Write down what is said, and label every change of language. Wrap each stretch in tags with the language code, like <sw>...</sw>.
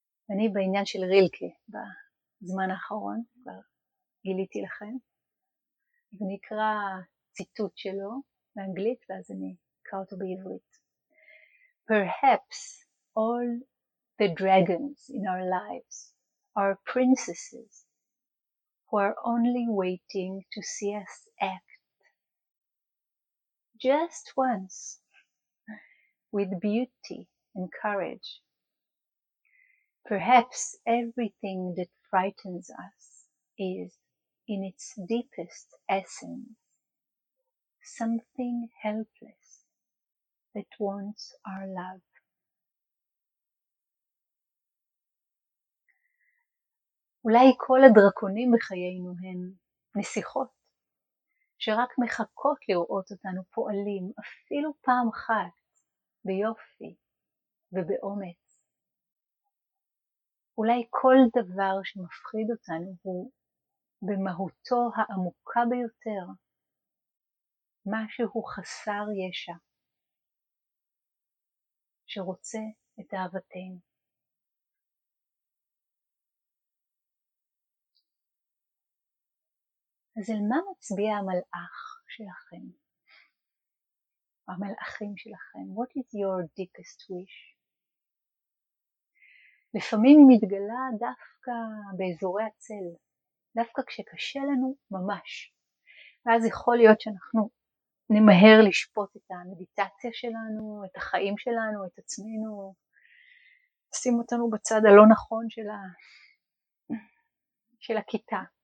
<he>אני בעניין של רילקה בזמן האחרון, כבר גיליתי לכם, ונקרא ציטוט שלו, באנגלית, ואז אני אקרא אותו בעברית.</he> <en>Perhaps all the dragons in our lives are princesses who are only waiting to see us act. Just once, with beauty and courage. Perhaps everything that frightens us is, in its deepest essence, something helpless that wants our love.</en> <he>אולי כל הדרקונים בחיינו הן נסיכות, שרק מחכות לראות אותנו פועלים אפילו פעם אחת ביופי ובאומץ. אולי כל דבר שמפחיד אותנו הוא במהותו העמוקה ביותר, משהו חסר ישע שרוצה את אהבתנו. אז אל מה מצביע המלאך שלכם? המלאכים שלכם?</he> <en>What is your deepest wish?</en> <he>לפעמים היא מתגלה דווקא באזורי הצל, דווקא כשקשה לנו ממש. ואז יכול להיות שאנחנו נמהר לשפוט את המדיטציה שלנו, את החיים שלנו, את עצמנו, שים אותנו בצד הלא נכון של של הכיתה.</he>